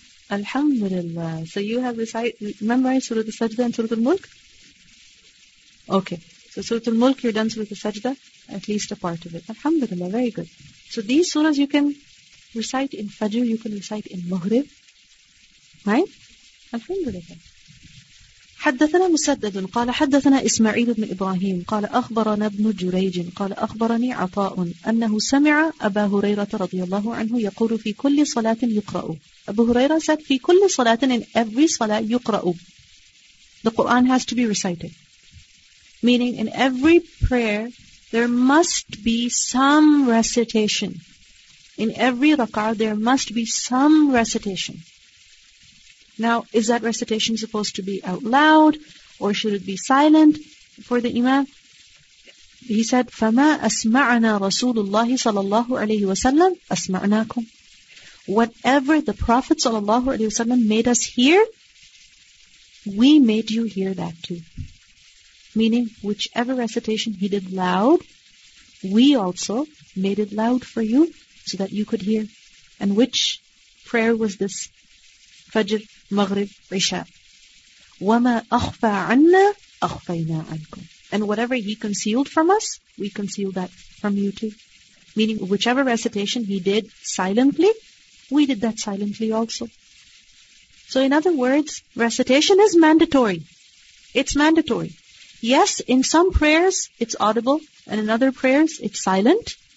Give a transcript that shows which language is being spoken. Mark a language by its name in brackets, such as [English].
[English] Alhamdulillah. So you have memorized Surah Al-Sajdah and Surah Al-Mulk? Okay. So Surah Al-Mulk, you're done Surah Al-Sajdah, at least a part of it. Alhamdulillah, very good. So these surahs you can recite in Fajr, you can recite in Maghrib. Right? Alhamdulillah. [Arabic] حدثنا مسدد قال حدثنا إسماعيل بن إبراهيم قال أخبرنا ابن جريج قال أخبرني عطاء أنه سمع أبا هريرة رضي الله عنه يقول في كل صلاة يقرأ. أبو هريرة [English] said [Arabic] في كل صلاة, [English] in every [Arabic] صلاة يقرأ. [English] The Quran has to be recited. Meaning in every prayer there must be some recitation. In every rak'ah there must be some recitation. Now, is that recitation supposed to be out loud, or should it be silent for the imam? He said, [Arabic] فَمَا أَسْمَعْنَا رَسُولُ اللَّهِ صَلَى اللَّهُ عَلَيْهِ وَسَلَّمْ أَسْمَعْنَاكُمْ. [English] Whatever the Prophet صلى الله عليه وسلم made us hear, we made you hear that too. Meaning, whichever recitation he did loud, we also made it loud for you, so that you could hear. And which prayer was this? Fajr, Maghrib, Isha. [Arabic] وَمَا أَخْفَى عَنَّا أَخْفَيْنَا عَنْكُمْ. [English] And whatever he concealed from us, we concealed that from you too. Meaning, whichever recitation he did silently, we did that silently also. So in other words, recitation is mandatory. It's mandatory. Yes, in some prayers it's audible, and in other prayers it's silent.